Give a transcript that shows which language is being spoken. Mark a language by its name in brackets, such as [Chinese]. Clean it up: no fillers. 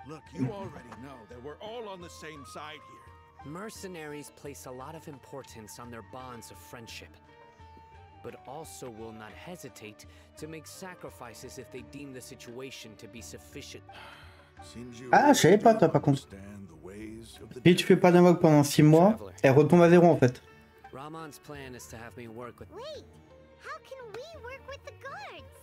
[English] Look, you already know that we're all on the same side here. Mercenaries place a lot of importance on their bonds of friendship, but also will not hesitate to make sacrifices if they deem the situation to be sufficient. Seems you... [French] Ah, je savais pas, toi, par contre. Si tu fais pas d'invoque pendant 6 mois, elle retombe à zéro, en fait. [English] Raman's plan is to have me work with... Wait, how can we work with the guards?